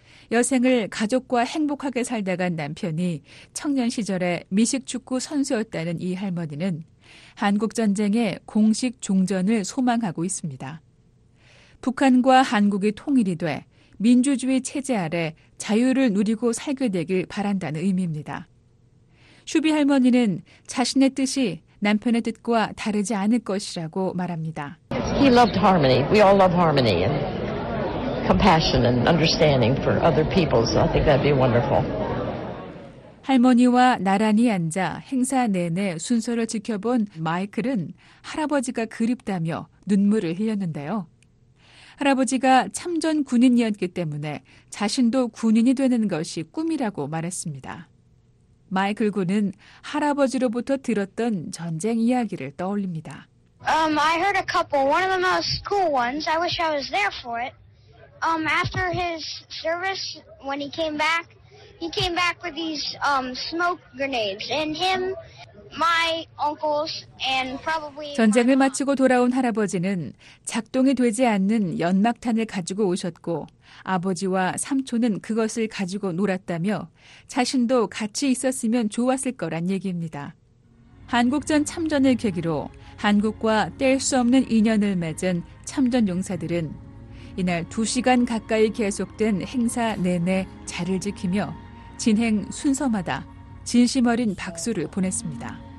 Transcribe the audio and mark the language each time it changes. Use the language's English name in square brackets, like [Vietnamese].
[Korean] 여생을 가족과 행복하게 살다 간 남편이 청년 시절에 미식축구 선수였다는 이 할머니는 한국전쟁의 공식 종전을 소망하고 있습니다. 북한과 한국이 통일이 돼 민주주의 체제 아래 자유를 누리고 살게 되길 바란다는 의미입니다. 슈비 할머니는 자신의 뜻이 남편의 뜻과 다르지 않을 것이라고 말합니다. [English] He loved harmony. We all love harmony and compassion and understanding for other people. So I think that'd be wonderful. [Korean] 할머니와 나란히 앉아 행사 내내 순서를 지켜본 마이클은 할아버지가 그립다며 눈물을 흘렸는데요. 할아버지가 참전 군인이었기 때문에 자신도 군인이 되는 것이 꿈이라고 말했습니다. 마이클 군은 할아버지로부터 들었던 전쟁 이야기를 떠올립니다. [English] I heard a couple. One of the most cool ones. I wish I was there for it. After his service, when he came back with these smoke grenades. And him, my uncles, and probably. [Korean] 전쟁을 마치고 돌아온 할아버지는 작동이 되지 않는 연막탄을 가지고 오셨고, 아버지와 삼촌은 그것을 가지고 놀았다며 자신도 같이 있었으면 좋았을 거란 얘기입니다. 한국전 참전을 계기로 한국과 뗄 수 없는 인연을 맺은 참전용사들은 이날 2시간 가까이 계속된 행사 내내 자리를 지키며 진행 순서마다 진심 어린 박수를 보냈습니다.